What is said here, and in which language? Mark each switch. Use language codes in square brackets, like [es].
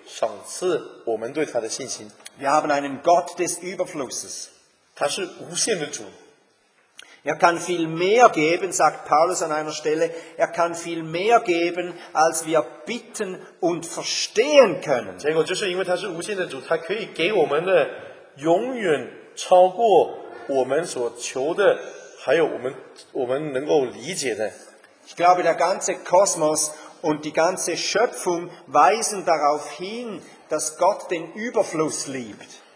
[zh] 但今天上帝让我们学的就是他会赏赐我们对他的信心。 [de] Wir haben einen Gott des Überflusses. [zh] 他是无限的主。 [de] Er kann viel mehr geben, sagt Paulus an einer Stelle, er kann viel mehr geben, als wir bitten und verstehen können. [zh] 结果就是因为他是无限的主，他可以给我们的永远 超过我们所求的，还有我们能够理解的。 [de] Ich glaube, der ganze Kosmos und die ganze Schöpfung weisen darauf hin, dass Gott den Überfluss liebt.